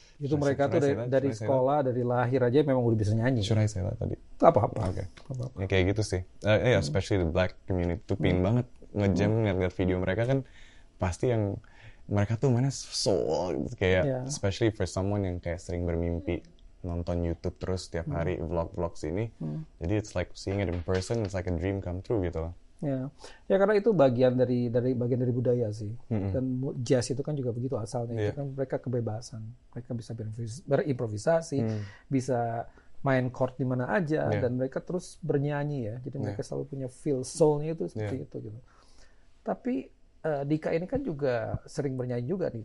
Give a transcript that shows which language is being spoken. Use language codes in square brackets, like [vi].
[id] Itu mereka tuh dari sekolah, dari lahir aja memang udah bisa nyanyi. [en] Should I say that tadi? [id] Apa-apa. Oke. Okay. Ya, kayak gitu sih. [en] Especially the black community. [id] Tuh pengen banget nge-jam, ngeliat video mereka kan. Pasti yang mereka tuh mana soul. Kayak [en] especially for someone [id] yang kayak sering bermimpi nonton YouTube terus setiap hari vlog-vlog sini. [en] Jadi it's like seeing it in person, it's like a dream come true [id] gitu. Ya, karena itu bagian dari bagian dari budaya sih. Dan jazz itu kan juga begitu asalnya. Yeah. Kan mereka kebebasan, mereka bisa berimprovisasi, bisa main chord di mana aja, dan mereka terus bernyanyi ya. Jadi mereka selalu punya feel soul-nya itu seperti itu gitu. Tapi Dika ini kan juga sering bernyanyi juga nih.